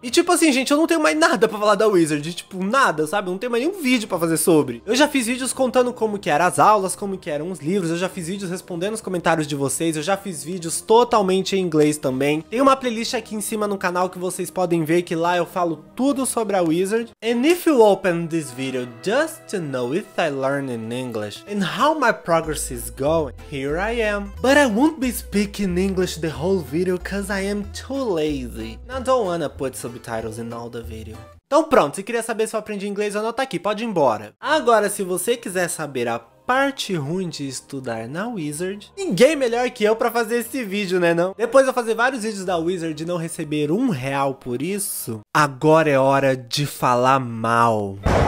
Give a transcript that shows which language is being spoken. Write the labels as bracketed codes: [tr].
[pt] E tipo assim, gente, eu não tenho mais nada pra falar da Wizard, tipo, nada, sabe? Eu não tenho mais nenhum vídeo pra fazer sobre. Eu já fiz vídeos contando como que eram as aulas, como que eram os livros, eu já fiz vídeos respondendo os comentários de vocês, eu já fiz vídeos totalmente em inglês também. Tem uma playlist aqui em cima no canal que vocês podem ver, que lá eu falo tudo sobre a Wizard. [en] And if you open this video just to know if I learn in English and how my progress is going, here I am. But I won't be speaking English the whole video because I am too lazy. And I don't wanna put subtitles in all the video. [pt] Então pronto, se queria saber se eu aprendi inglês ou não, tá aqui, pode ir embora. Agora, se você quiser saber a parte ruim de estudar na Wizard, ninguém melhor que eu pra fazer esse vídeo, né não? Depois de eu fazer vários vídeos da Wizard e não receber um real por isso, agora é hora de falar mal.